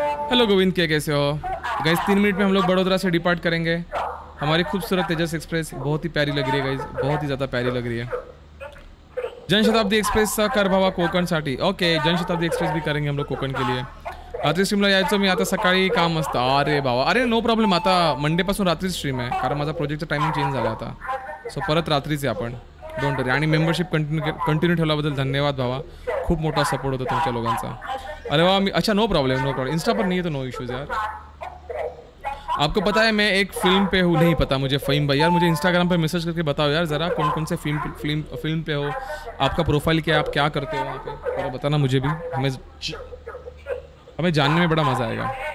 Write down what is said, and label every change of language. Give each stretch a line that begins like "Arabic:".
Hindi: Hello Govind के, कैसे हो गाइज? 3 मिनट में हम लोग वडोदरा से डिपार्ट करेंगे, हमारी खूबसूरत तेजस एक्सप्रेस बहुत ही प्यारी लग रही है गाइज, बहुत ही ज़्यादा प्यारी लग रही है। जनशताब्दी एक्सप्रेस
Marathi: कर भावा कोकण साठी,
Hindi: ओके जनशताब्दी एक्सप्रेस भी करेंगे हम लोग कोकण के लिए।
Marathi: रात्री स्ट्रीमला यायचो मी, आता सकाळी काम असतं। अरे भावा, अरे नो प्रॉब्लेम, आता मंडेपासून रात्री स्ट्रीम आहे कारण माझा प्रोजेक्टचा टायमिंग चेंज झाला आता, सो परत रात्रीच आहे आपण,
English: Don't worry.
Marathi: आणि मेंबरशिप कंटिन्यू ठेवल्याबद्दल धन्यवाद भावा, खूप मोठा सपोर्ट होता तुमच्या लोकांचा। अरे भावा मी, अच्छा नो प्रॉब्लेम, इंस्टा पर नाही आहे तो नो इश्यूज यार।
Hindi: आपको पता है मैं एक फिल्म पे हूँ? नहीं पता मुझे फहीम भाई, यार मुझे इंस्टाग्राम पे मैसेज करके बताओ यार ज़रा, कौन कौन से फिल्म पे हो, आपका प्रोफाइल क्या है, आप क्या करते हो वहाँ पे, थोड़ा बताना मुझे भी, हमें जानने में बड़ा मज़ा आएगा।